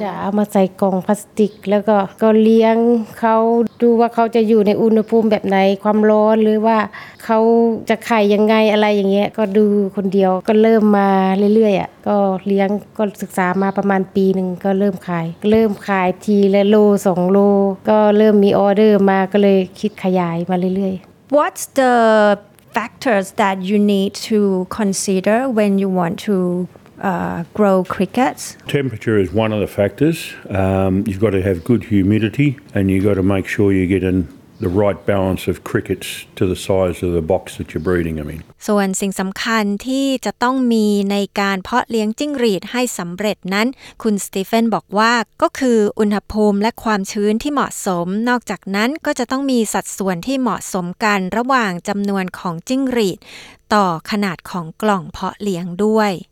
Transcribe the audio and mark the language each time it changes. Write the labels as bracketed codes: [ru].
[th] จะเอามาใส่กล่องพลาสติกแล้วก็เลี้ยงเขาดูว่าเขาจะอยู่ในอุณหภูมิแบบไหนความร้อนหรือว่าเขาจะไข่ยังไงอะไรอย่างเงี้ยก็ดูคนเดียวก็เริ่มมาเรื่อยๆอะก็เลี้ยงก็ศึกษามาประมาณปีนึงก็เริ่มขายทีละโล2โลก็เริ่มมีออเดอร์มาก็เลยคิดขยายมาเรื่อย [en] ๆ What's the factors that you need to consider when you want toGrow crickets? Temperature is one of the factors. You've got to have good humidity and you've got to make sure you get in the right balance of crickets to the size of the box that you're breeding them in. [th] ส่วนสิ่งสำคัญที่จะต้องมีในการเพาะเลี้ยงจิ้งหรีดให้สำเร็จนั้นคุณสตีเฟนบอกว่าก็คืออุณหภูมิและความชื้นที่เหมาะสมนอกจากนั้นก็จะต้องมีสัดส่วนที่เหมาะสมกันระหว่างจำนวนของจิ้งหรีดต่อขนาดของกล่องเพาะเลี้ยงด้วย